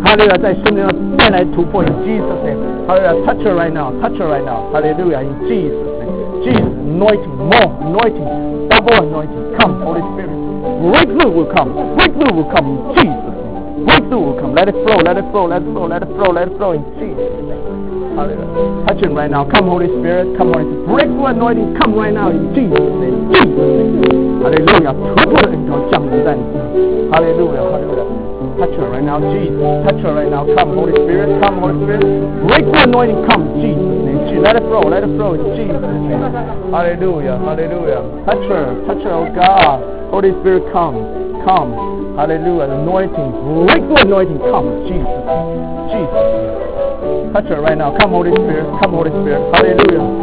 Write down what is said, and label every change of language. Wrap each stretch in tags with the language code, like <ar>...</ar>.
<zh>Hallelujah, 在生命上带来突破</zh> <en>in Jesus name. Hallelujah, touch her right now, touch her right now. Hallelujah, in Jesus name. Jesus, anointing, more anointing, double anointing. Come, Holy Spirit. Breakthrough will come. Breakthrough will come in Jesus name. Breakthrough will come. Let it flow, let it flow, let it flow, let it flow, let it flow in Jesus name. Hallelujah, touch him right now. Come, Holy Spirit. Come, Holy Spirit. Breakthrough anointing, come right now in Jesus name. Jesus name.</en> <zh>Hallelujah, 突破的恩膏降临在你身上。</zh> <en>Hallelujah, Hallelujah. Touch her right now, Jesus. Touch her right now. Come, Holy Spirit. Come, Holy Spirit. Break the anointing. Come, Jesus. Name. Jesus. Let it flow. Let it flow. Jesus. Hallelujah. Hallelujah. Touch her. Touch her, oh God. Holy Spirit, come. Come. Hallelujah. Anointing. Break the anointing. Come, Jesus. Jesus. Touch her right now. Come, Holy Spirit. Come, Holy Spirit. Hallelujah.</en>